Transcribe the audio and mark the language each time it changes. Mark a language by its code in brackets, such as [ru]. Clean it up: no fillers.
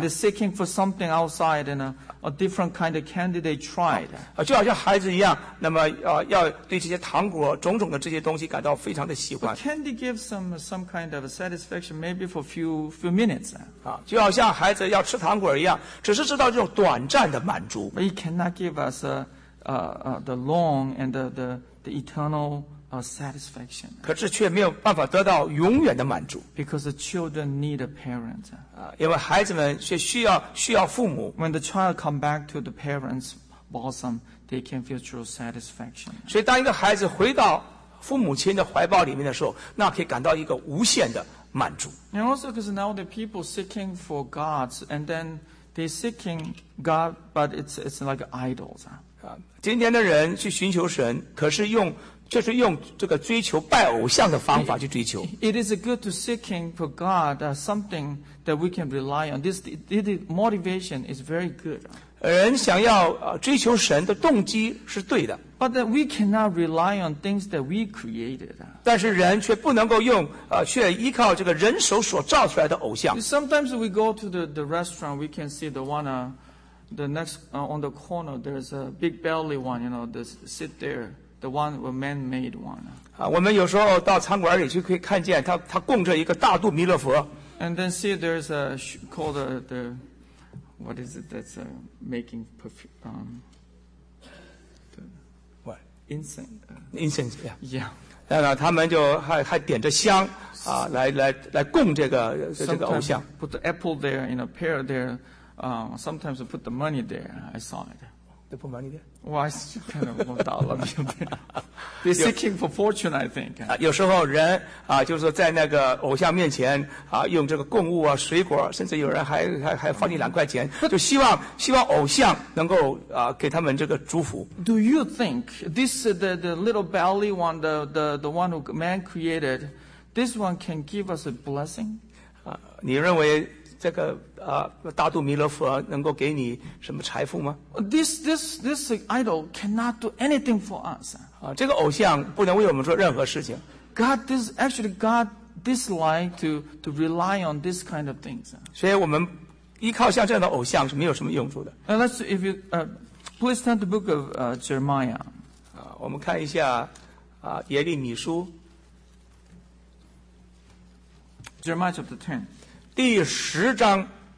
[en] When they're seeking for something outside, and a different kind of candidate tried. [zh] 就好像孩子一样，那么要对这些糖果种种的这些东西感到非常的喜欢。 [en] But candy gives some kind of satisfaction, maybe for few minutes. [zh] 就好像孩子要吃糖果一样，只是知道这种短暂的满足。 [en] But it cannot give us the long and the eternal. Satisfaction. [zh] 可是却没有办法得到永远的满足。 [en] Because the children need a parent. [zh] 因为孩子们却需要父母。 [en] When the child come back to the parents' bosom, they can feel true satisfaction. [zh] 所以当一个孩子回到父母亲的怀抱里面的时候，那可以感到一个无限的满足。 [en] And also because now the people seeking for gods, and then they seeking God, but it's like idols. [zh] 今天的人去寻求神，可是用就是用这个追求拜偶像的方法去追求。 [en] It is good to seeking for God something that we can rely on. This motivation is very good. [zh] 人想要追求神的动机是对的。 [en] But that we cannot rely on things that we created. [zh] 但是人却不能够用却依靠这个人手所造出来的偶像。 [en] Sometimes we go to the restaurant, we can see the next on the corner, there's a big belly one, you know, to sit there. The one a man-made one. [zh] 我们有时候到餐馆里去，可以看见他供着一个大肚弥勒佛。 [en] And then see there's a called the what is it that's making perfume? What incense? Incense, yeah. Yeah. [zh] 那个他们就还点着香来供这个偶像。 [en] Sometimes put the apple there, you know, pear there. Sometimes put the money there. I saw it. They put money there. Why is it kind of more dollar? They're seeking for fortune, I think. [zh] 有时候人就是在那个偶像面前用这个供物水果，甚至有人还放你两块钱，就希望偶像能够给他们这个祝福。 [en] Do you think this the little belly one, the one who man created, this one can give us a blessing? [zh] 你认为？这个大肚弥勒佛能够给你什么财富吗 [en] ？This idol cannot do anything for us. [zh] 这个偶像不能为我们做任何事情。 [en] God dislike to rely on this kind of things. [zh] 所以我们依靠像这样的偶像是没有什么用处的。 [en] Let's if you please turn to the book of Jeremiah. [zh] 我们看一下耶利米书。 [en] Jeremiah chapter 10. [zh] 第十章